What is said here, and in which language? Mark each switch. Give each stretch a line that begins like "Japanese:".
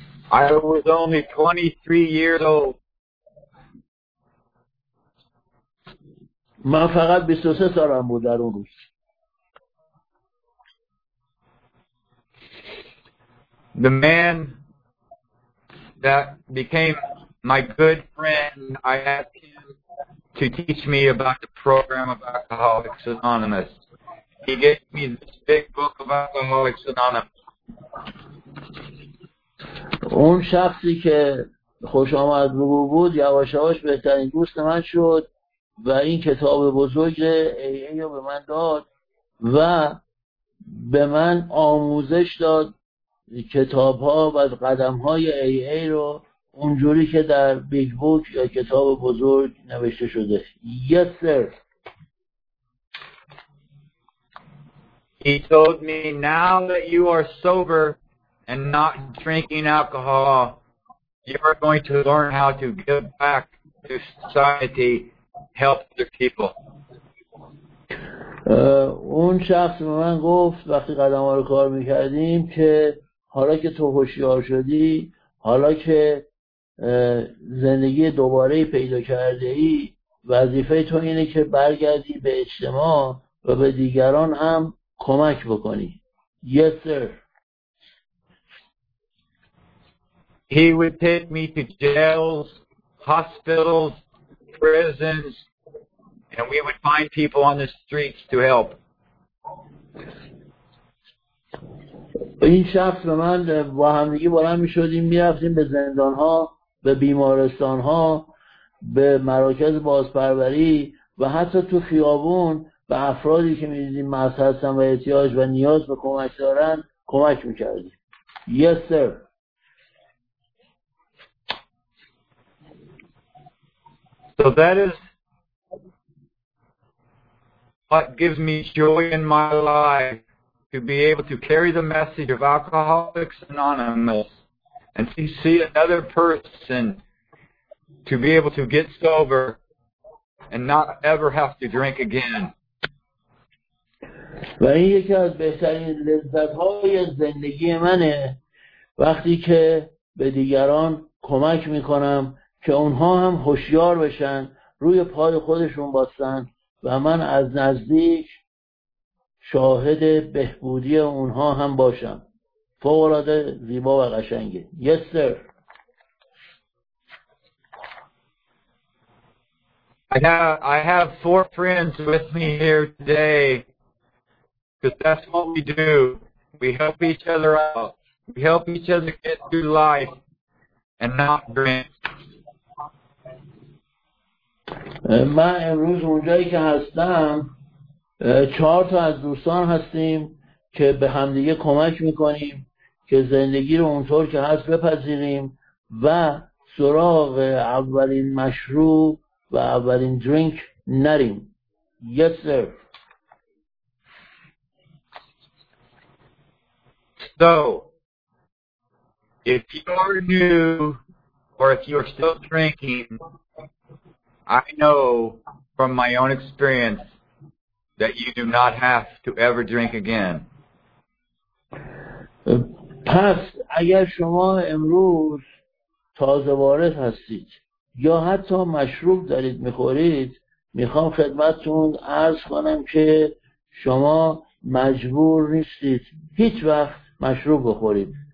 English: I was only 23 years old.
Persian: من فقط 23 سالم بود در اون روز.
English: The man that became my good friend, I asked him to teach me about the program of Alcoholics Anonymous. He gave me this big book of Alcoholics Anonymous.
Persian: اون شخصی که خوش آمد بود یواش یواش بهترین دوست من شد و این کتاب بزرگ AA رو به من داد و به من آموزش داد کتاب ها و قدم های AA رو اونجوری که در بیگ بوک یا کتاب بزرگ نوشته شده.
English: Yes, sir. He told me, now that you are sober and not drinking alcohol, you are going to learn how to give back to society, help other people.
Persian: اون شخص به من گفت وقتی قدم ها رو کار میکردیم که حالا که تو هوشیار شدی حالا که زندگی دوباره پیدا کرده ای وظیفه تو اینه که برگردی به اجتماع و به دیگران هم کمک بکنی.
English: Yes, sir. He would take me to jails, hospitals, prisons, and we would find people on the streets to help.
Persian: این شخص به من با همدیگه بلند می شدیم می رفتیم به زندان ها به بیمارستان ها به مراکز بازپروری و حتی تو خیابون به افرادی که می‌دیدیم مست هستن و احتیاج و نیاز به کمک دارن کمک می‌کردیم.
English: Yes, sir. So that is what gives me joy in my life to be able to carry the message of Alcoholics Anonymous and to see another person to be able to get sober and not ever have to drink again.
Persian: و این یکی از بهترین لذت‌های زندگی منه وقتی که به دیگران کمک می‌کنم که اونها هم هوشیار بشن، روی پای خودشون باستن و من از نزدیک شاهد بهبودی اونها هم باشم. فوق‌العاده زیبا و قشنگه.
English: Yes, sir. I have four friends with me here today. Because that's what we do. We help each other out. We help each other get through life and not drink.
Persian: من امروز اونجایی که هستم چهار تا از دوستان هستیم که به همدیگه کمک میکنیم که زندگی رو اونطور که هست بپذیریم و سراغ اولین مشروب و اولین درینک نریم.
English: Yes, sir. So, if you are new, or if you are still drinking, I know from my own experience that you do not have to ever drink again.
Persian: پس اگر شما امروز تازه وارد هستید یا حتی مشروب دارید میخورید، میخوام خدمتتون عرض کنم که شما مجبور نیستید هیچ وقت مشروب بخورید.